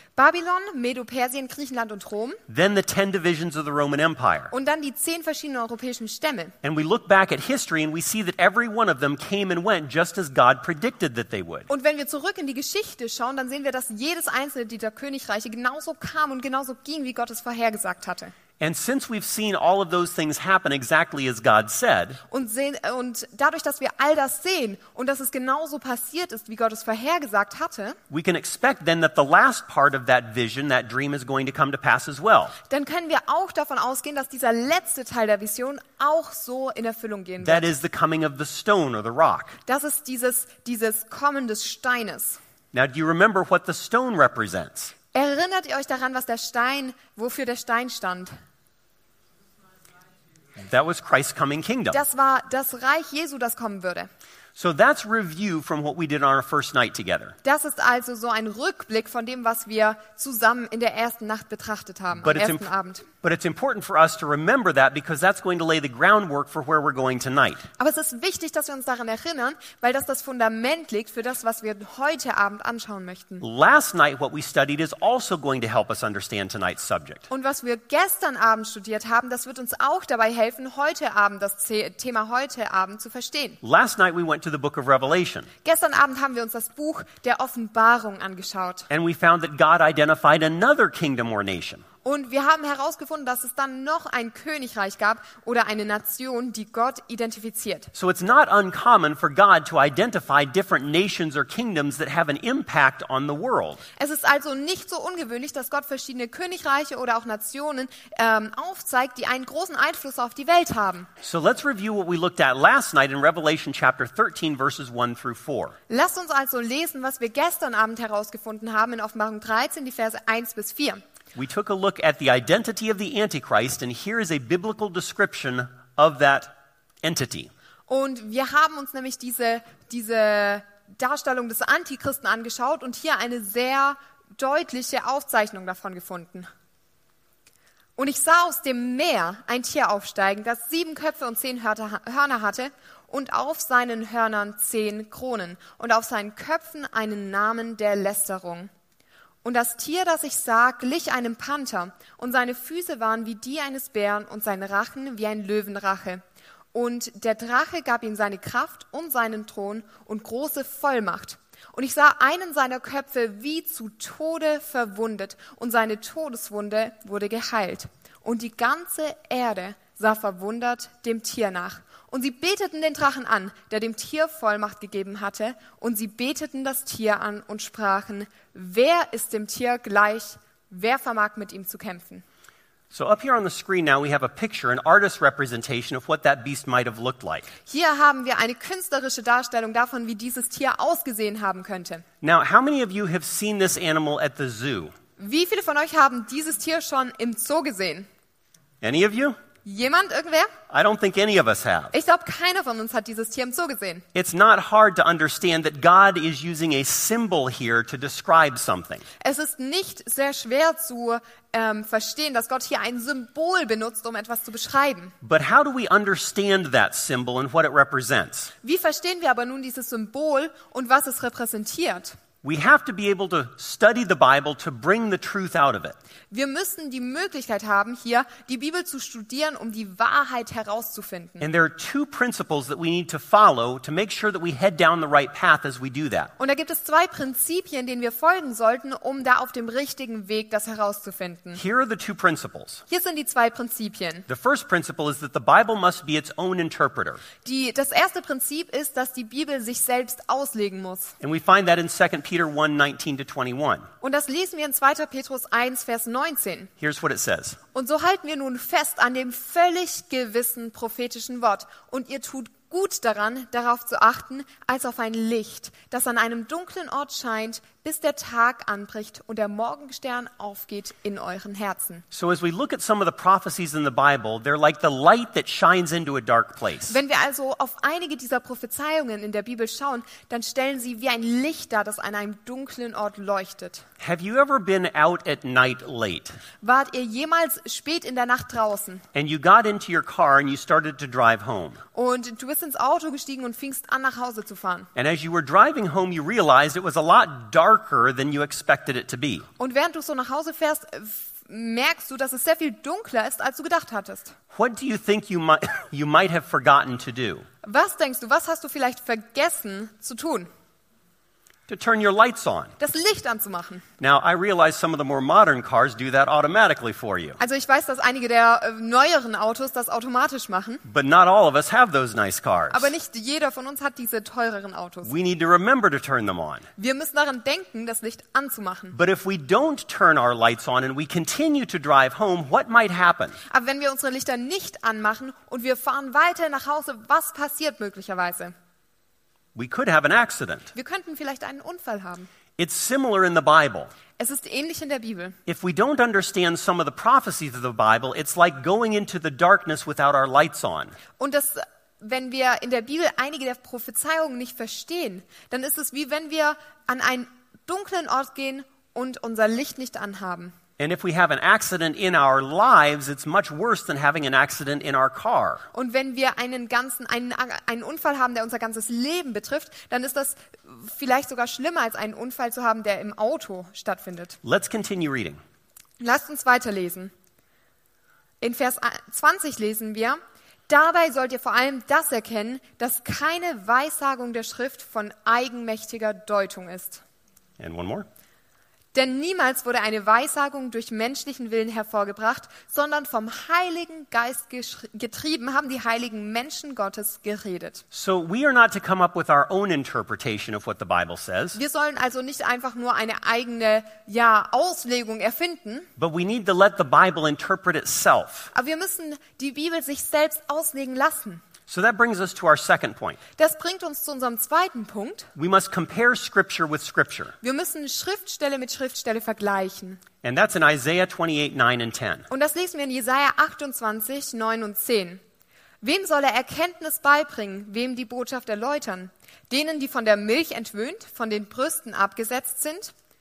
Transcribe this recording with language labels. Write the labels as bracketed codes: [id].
[de] Babylon, Medo-Persien, Griechenland und Rom. [en] Then the 10 divisions of the Roman Empire. [de] Und dann die 10 verschiedenen europäischen Stämme. [en] And we look back at history and we see that every one of them came and went just as God predicted that they would. [de] Und wenn wir zurück in die Geschichte schauen, dann sehen wir, dass jedes einzelne dieser Königreiche genauso kam und genauso ging, wie Gott es vorhergesagt hatte. [en] And since we've seen all of those things happen exactly as God said, [de] und dadurch, dass wir all das sehen und dass es genauso passiert ist, wie Gott es vorhergesagt hatte, [en] we can expect then that the last part of that vision, that dream, is going to come to pass as well. [de] Dann können wir auch davon ausgehen, dass dieser letzte Teil der Vision auch so in Erfüllung gehen wird. [en] That is the coming of the stone or the rock. [de] Das ist dieses Kommen des Steines. [en] Now, do you remember what the stone represents? [de] Erinnert ihr euch daran, was der Stein, wofür der Stein stand? [en] That was Christ's coming kingdom. [de] Das war das Reich Jesu, das kommen würde. [en] So that's review from what we did on our first night together. [de] Das ist also so ein Rückblick von dem, was wir zusammen in der ersten Nacht betrachtet haben, am ersten Abend. [en] But it's important for us to remember that because that's going to lay the groundwork for where we're going tonight. [de] Aber es ist wichtig, dass wir uns daran erinnern, weil das Fundament legt für das, was wir heute Abend anschauen möchten. [en] Last night what we studied is also going to help us understand tonight's subject. [de] Und was wir gestern Abend studiert haben, das wird uns auch dabei helfen, heute Abend das Thema heute Abend zu verstehen. [en] Last night we went to the book of Revelation. [de] Gestern Abend haben wir uns das Buch der Offenbarung angeschaut. [en] And we found that God identified another kingdom or nation. [de] Und wir haben herausgefunden, dass es dann noch ein Königreich gab oder eine Nation, die Gott identifiziert. [en] So it's not uncommon for God to identify different nations or kingdoms that have an impact on the world. [de] Es ist also nicht so ungewöhnlich, dass Gott verschiedene Königreiche oder auch Nationen aufzeigt, die einen großen Einfluss auf die Welt haben. [en] So let's review what we looked at last night in Revelation chapter 13 verses 1 through 4. [de] Lasst uns also lesen, was wir gestern Abend herausgefunden haben in Offenbarung 13, die Verse 1 bis 4. [en] We took a look at the identity of the Antichrist, and here is a biblical description of that entity. [de] Und wir haben uns nämlich diese Darstellung des Antichristen angeschaut und hier eine sehr deutliche Aufzeichnung davon gefunden. Und ich sah aus dem Meer ein Tier aufsteigen, das 7 Köpfe und 10 Hörner hatte, und auf seinen Hörnern 10 Kronen, und auf seinen Köpfen einen Namen der Lästerung. Und das Tier, das ich sah, glich einem Panther, und seine Füße waren wie die eines Bären und sein Rachen wie ein Löwenrache. Und der Drache gab ihm seine Kraft und seinen Thron und große Vollmacht. Und ich sah einen seiner Köpfe wie zu Tode verwundet, und seine Todeswunde wurde geheilt. Und die ganze Erde sah verwundert dem Tier nach. Und sie beteten den Drachen an, der dem Tier Vollmacht gegeben hatte, und sie beteten das Tier an und sprachen: Wer ist dem Tier gleich? Wer vermag mit ihm zu kämpfen? [en] So up here on the screen now we have a picture, an artist's representation of what that beast might have looked like. [de] Hier haben wir eine künstlerische Darstellung davon, wie dieses Tier ausgesehen haben könnte. [en] Now, how many of you have seen this animal at the zoo? [de] Wie viele von euch haben dieses Tier schon im Zoo gesehen? [en] Any of you? [de] Jemand, irgendwer? [en] I don't think any of us have. [de] Ich glaube, keiner von uns hat dieses Tier im Zoo gesehen. [en] It's not hard to understand that God is using a symbol here to describe something. [de] Es ist nicht sehr schwer zu verstehen, dass Gott hier ein Symbol benutzt, um etwas zu beschreiben. [en] But how do we understand that symbol and what it represents? [de] Wie verstehen wir aber nun dieses Symbol und was es repräsentiert? [en] We have to be able to study the Bible to bring the truth out of it. [de] Wir müssen die Möglichkeit haben, hier die Bibel zu studieren, um die Wahrheit herauszufinden. [en] And there are two principles that we need to follow to make sure that we head down the right path as we do that. [de] Und da gibt es zwei Prinzipien, denen wir folgen sollten, um da auf dem richtigen Weg das herauszufinden. [en] Here are the two principles. [de] Hier sind die zwei Prinzipien. [en] The first principle is that the Bible must be its own interpreter. [de] Das erste Prinzip ist, dass die Bibel sich selbst auslegen muss. [en] And we find that in 2 Peter 1:19-21. [de] Und das lesen wir in 2. Petrus 1, Vers 19. [en] Here's what it says. [de] Und so halten wir nun fest an dem völlig gewissen prophetischen Wort. Und ihr tut gut daran, darauf zu achten, als auf ein Licht, das an einem dunklen Ort scheint, bis der Tag anbricht und der Morgenstern aufgeht in euren Herzen. [en] So as we look at some of the prophecies in the Bible, they're like the light that shines into a dark place. [de] Wenn wir also auf einige dieser Prophezeiungen in der Bibel schauen, dann stellen sie wie ein Licht dar, das an einem dunklen Ort leuchtet. [en] Have you ever been out at night late? [de] Wart ihr jemals spät in der Nacht draußen? [en] And you got into your car and you started to drive home. [de] Und du bist ins Auto gestiegen und fingst an, nach Hause zu fahren. [en] And as you were driving home, you realized it was a lot darker than you expected it to be. [de] Und während du so nach Hause fährst, merkst du, dass es sehr viel dunkler ist, als du gedacht hattest. [en] What do you think you might have forgotten to do? [de] Was denkst du, was hast du vielleicht vergessen zu tun? [en] To turn your lights on. [de] Das Licht anzumachen. [en] Now I realize some of the more modern cars do that automatically for you. [de] Also ich weiß, dass einige der neueren Autos das automatisch machen. [en] But not all of us have those nice cars. [de] Aber nicht jeder von uns hat diese teureren Autos. [en] We need to remember to turn them on. [de] Wir müssen daran denken, das Licht anzumachen. [en] But if we don't turn our lights on and we continue to drive home, what might happen? [de] Aber wenn wir unsere Lichter nicht anmachen und wir fahren weiter nach Hause, was passiert möglicherweise? [en] We could have an accident. [de] Wir könnten vielleicht einen Unfall haben. [en] It's similar in the Bible. [de] Es ist ähnlich in der Bibel. [en] If we don't understand some of the prophecies of the Bible, it's like going into the darkness without our lights on. [de] Und das, wenn wir in der Bibel einige der Prophezeiungen nicht verstehen, dann ist es wie wenn wir an einen dunklen Ort gehen und unser Licht nicht anhaben. [en] And if we have an accident in our lives, it's much worse than having an accident in our car. [de] Und wenn wir einen Unfall haben, der unser ganzes Leben betrifft, dann ist das vielleicht sogar schlimmer als einen Unfall zu haben, der im Auto stattfindet. [en] Let's continue reading. [de] Lasst uns weiterlesen. In Vers 20 lesen wir: Dabei sollt ihr vor allem das erkennen, dass keine Weissagung der Schrift von eigenmächtiger Deutung ist. [en] And one more. [de] Denn niemals wurde eine Weissagung durch menschlichen Willen hervorgebracht, sondern vom Heiligen Geist getrieben haben die heiligen Menschen Gottes geredet. [en] So we are not to come up with our own interpretation of what the Bible says. [de] Wir sollen also nicht einfach nur eine eigene Auslegung erfinden. [en] But we need to let the Bible interpret itself. [de] Aber wir müssen die Bibel sich selbst auslegen lassen. [en] So that brings us to our second point. [de] Das bringt uns zu unserem zweiten Punkt. [en] We must compare scripture with scripture. [de] Wir müssen Schriftstelle mit Schriftstelle vergleichen. [en] And that's in Isaiah 28:9-10. [de] Und das lesen wir in Jesaja 28:9-10. Wem soll er Erkenntnis beibringen, wem die Botschaft erläutern? Denen, die von der Milch entwöhnt, von den Brüsten abgesetzt sind?